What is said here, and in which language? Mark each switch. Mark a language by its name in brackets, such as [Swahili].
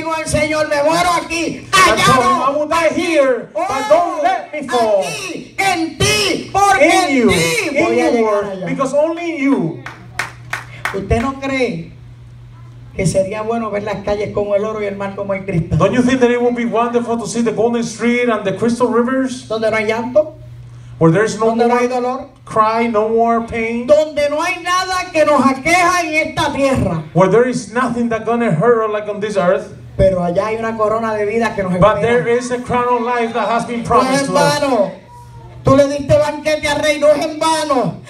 [Spanish] Y le digo al Señor, me muero aquí. [English] I told him I will die here, oh, but don't let me fall. [Spanish] Aquí, en ti, porque [English] in you, [Spanish] en ti, [English] in you, Lord, because only in you. [Spanish] Usted no cree. Que sería bueno ver las calles como el oro y el mar como el cristal. [English] Don't you think that it would be wonderful to see the golden street and the crystal rivers? [Spanish] Donde no hay llanto. [English] Where there's no [Spanish] donde [English] more [Spanish] hay dolor. [English] Cry, no more pain. [Spanish] Donde no hay nada que nos aqueja en esta tierra. [English] Where there is nothing that's gonna hurt us like on this earth. [Spanish] Pero allá hay una corona de vida que nos espera. [English] But there is a crown of life that has been promised [Spanish] pues hermano, [English] to us. [Spanish] Tú le diste banquete al rey, no es en vano.